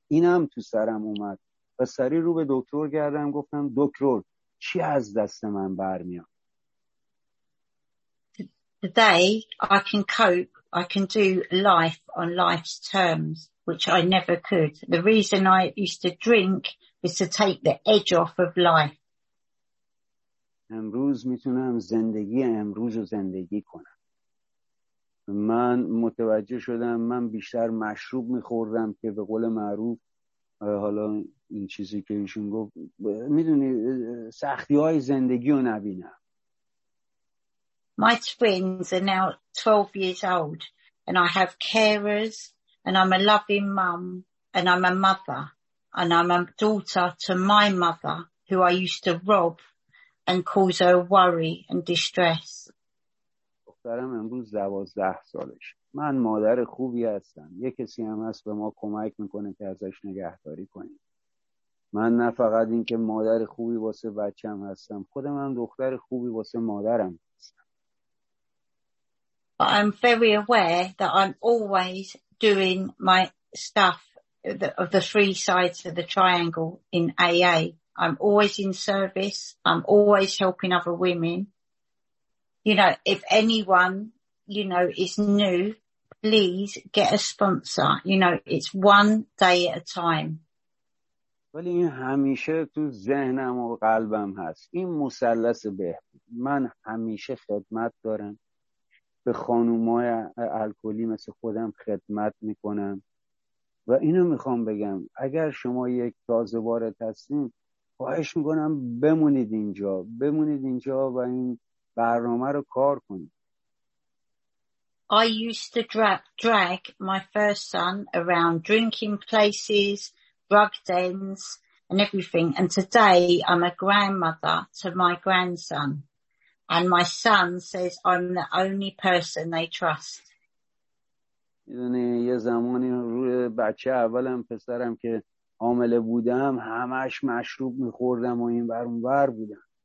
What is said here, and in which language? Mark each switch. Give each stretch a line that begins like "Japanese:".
Persian: اینم تو سرم اومد و سریع رو به دکتر گردم، گفتم دکتر چی از دست من برمیاد؟
English: Today I can cope, I can do life on life's terms, which I never could. The reason I used to drink is to take the edge off of life.
Persian: امروز میتونم زندگی امروز رو زندگی کنم. من متوجه شدم من بیشتر مشروب میخوردم که به قول معروف حالا این چیزی که ایشون گفت میدونی سختی های زندگی رو نبینم.
English: My twins are now 12 years old and I have carers and I'm a loving mum and I'm a mother and I'm a daughter to my mother who I used to rob and cause her worry and distress.
Persian: دخترم امروز 12 سالش. من مادر خوبی هستم. یه کسی هم هست به ما کمک میکنه که ازش نگهداری کنیم. من نه فقط این که مادر خوبی واسه بچه‌م هستم، خودم هم دختر خوبی واسه مادرم.
English: But I'm very aware that I'm always doing my stuff of the 3 sides of the triangle in AA. I'm always in service. I'm always helping other women. You know, if anyone, you know, is new, please get a sponsor. You know, it's 1 day at a time.
Persian: ولی این همیشه تو ذهنم و قلبم هست. این مثلث بهبود. من همیشه خدمت دارم. به خانومای الکلی مثل خودم خدمت میکنم و اینو میخوام بگم اگر شما یک تازه وارد هستین خواهش میکنم بمونید اینجا و این برنامه رو کار کنید.
English: I used to drag my first son around drinking places, drug dens and everything, and today I'm a grandmother to my grandson. And my son says I'm the only person they trust.
Persian: یعنی یه زمانی روی بچه اولم پسرم که حامله بودم همش مشروب می‌خوردم و این ور اون ور بودم.